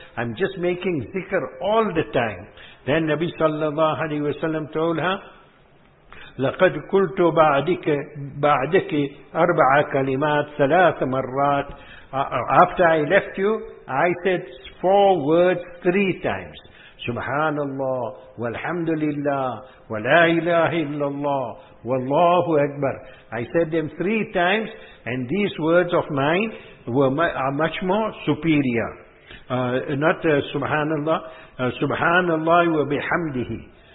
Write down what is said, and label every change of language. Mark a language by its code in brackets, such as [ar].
[en] I'm just making zikr all the time. Then Nabi sallallahu alayhi wasalam told her, [ar] لقد قلت بعدك أربع كلمات ثلاث مرات. [en] After I left you, I said four words three times. [ar] سبحان الله والحمد لله ولا إله إلا الله والله أكبر. [en] I said them three times, and these words of mine are much more superior. Not [ar] سبحان الله, سبحان الله وبحمده.